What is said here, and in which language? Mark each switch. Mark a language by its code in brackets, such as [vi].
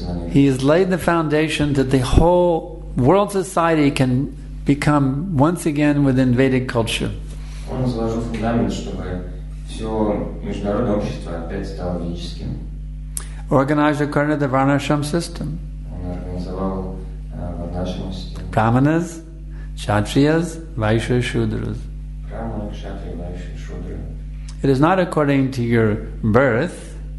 [en] He has laid the foundation that the whole world society can become once again within Vedic culture. [ru] Он заложил фундамент, чтобы все международное общество опять стало ведическим. [en] Organized according to the Varnashram system. [ru] Он организовал Varnashram system. [en] Brahmanas, Kshatriyas, Vaishyas, Shudras. Brahmana, Kshatriya, Vaishya, Shudra. It is not according to your birth.